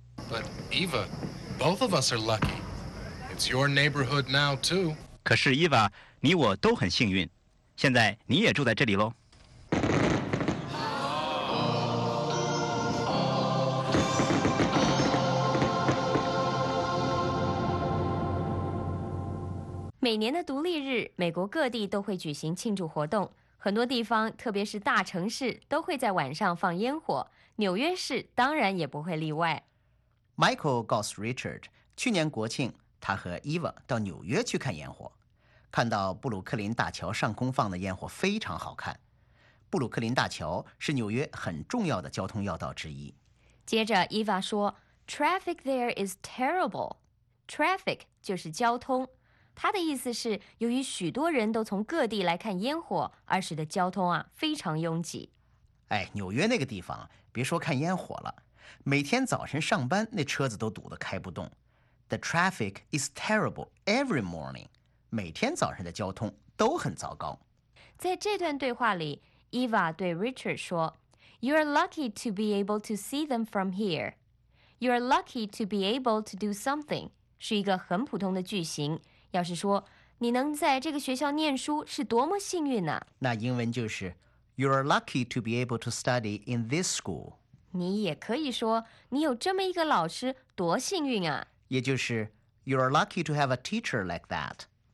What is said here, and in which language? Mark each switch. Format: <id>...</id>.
<en>But Eva, both of us are lucky. It's your neighborhood now too.</en> <zh>可是 Eva, 你我都很幸运，现在你也住在这里咯。每年的独立日，美国各地都会举行庆祝活动，很多地方特别是大城市都会在晚上放烟火，纽约市当然也不会例外。 Michael 告诉 Richard， 去年国庆他和 Eva 到纽约去看烟火，看到布鲁克林大桥上空放的烟火非常好看。布鲁克林大桥是纽约很重要的交通要道之一。接着 Eva 说 Traffic there is terrible. Traffic 就是交通，他的意思是由于许多人都从各地来看烟火而使得交通非常拥挤。哎，纽约那个地方别说看烟火了，每天早晨上班那车子都堵得开不动。</zh> <en>The traffic is terrible every morning，</en> <zh>每天早上的交通都很糟糕。在这段对话里， Eva 对 Richard 说</zh> <en>You're lucky to be able to see them from here. You're lucky to be able to do something</en> <zh>是一个很普通的句型，要是说你能在这个学校念书是多么幸运呢、那英文就是</zh> <en>You're lucky to be able to study in this school.</en> <zh>你也可以说你有这么一个老师多幸运啊，也就是</zh> <en>You're lucky to have a teacher like that.</en>